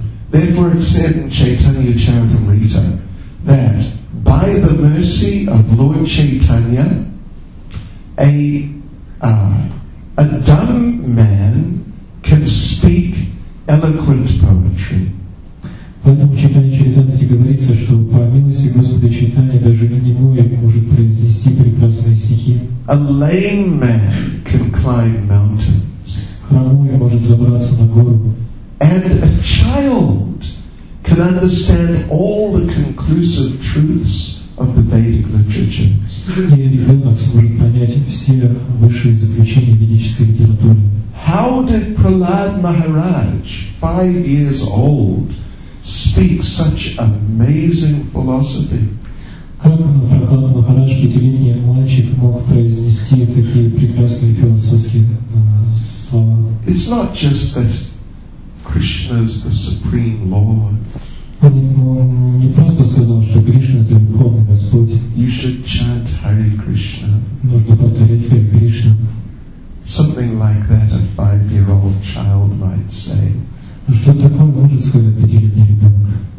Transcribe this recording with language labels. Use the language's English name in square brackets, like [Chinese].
[English] Therefore it said in Chaitanya Charitamrita that by the mercy of Lord Chaitanya, a dumb man can speak eloquent poetry. [Russian] Поэтому читание Чайтанти говорится, что по милости Господа Чайтанья даже ленивой может произнести прекрасные стихи. [English] A lame man can climb mountains. [Russian] Хромой может забраться на гору. [English] And a child can understand all the conclusive truths of the Vedic literature. [Russian] И ребенок сможет понять все высшие заключения ведической литературы. [English] How did Prahlad Maharaj, 5 years old, speak such amazing philosophy? [Russian] Как Прохлад Махарадж, пятилетний мальчик, мог произнести такие прекрасные философские слова? [English] It's not just that Krishna is the Supreme Lord. [Russian] Он не просто сказал, что Кришна это Верховный Господь. [English] You should chant Hare Krishna. [Russian] Нужно повторять Хари Кришна. [English] Something like that a 5-year-old child might say. [Russian] Что такое может сказать пятилетний ребенок?